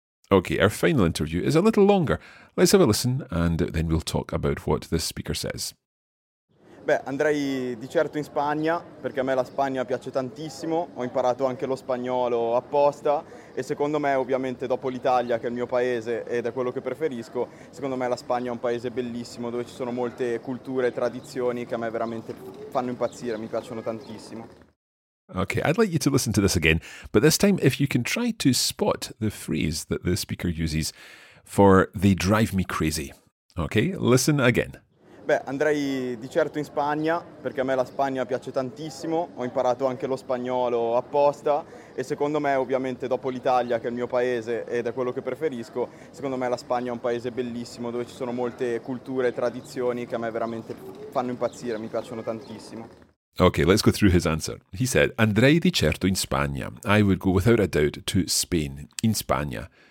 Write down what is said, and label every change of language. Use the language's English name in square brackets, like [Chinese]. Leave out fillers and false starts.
[English] Okay, our final interview is a little longer. Let's have a listen and then we'll talk about what this speaker says. [Italian] Beh, andrei di certo in Spagna, perché a me la Spagna piace tantissimo, ho imparato anche lo spagnolo apposta e secondo me, ovviamente dopo l'Italia, che è il mio paese ed è quello che preferisco, secondo me la Spagna è un paese bellissimo dove ci sono molte culture e tradizioni che a me veramente fanno impazzire, mi piacciono tantissimo. [English] Okay, I'd like you to listen to this again, but this time if you can try to spot the phrase that the speaker uses for they drive me crazy. Okay, listen again. [Italian] Beh, andrei di certo in Spagna, perché a me la Spagna piace tantissimo, ho imparato anche lo spagnolo apposta e secondo me, ovviamente dopo l'Italia, che è il mio paese ed è quello che preferisco, secondo me la Spagna è un paese bellissimo dove ci sono molte culture e tradizioni che a me veramente fanno impazzire, mi piacciono tantissimo. [English] Okay, let's go through his answer. He said, [Italian] andrei di certo in Spagna. [English] I would go without a doubt to Spain, [Italian] in Spagna.